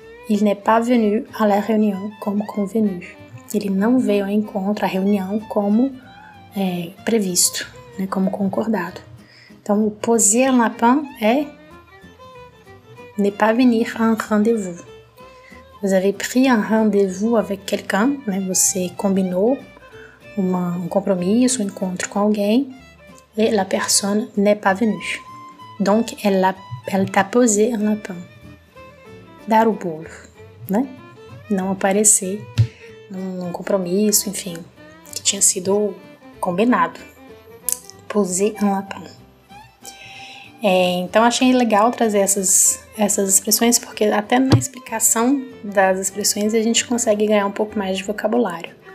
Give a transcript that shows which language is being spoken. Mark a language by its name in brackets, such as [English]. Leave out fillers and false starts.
[French] Il n'est pas venu à la réunion comme convenu. [Portuguese] Ele não veio ao encontro, à reunião, como previsto, né, como concordado. [French] Então, o poser un lapin é ne pas venir à un rendez-vous. Vous avez pris un rendez-vous avec quelqu'un, né, [Portuguese] você combinou um compromisso, um encontro com alguém, [French] et la personne n'est pas venue. Donc, elle t'a posé un lapin. [Portuguese] Dar o bolo, né? Não aparecer num compromisso, enfim, que tinha sido combinado. Poser un lapin. Então, achei legal trazer essas expressões, porque até na explicação das expressões a gente consegue ganhar um pouco mais de vocabulário.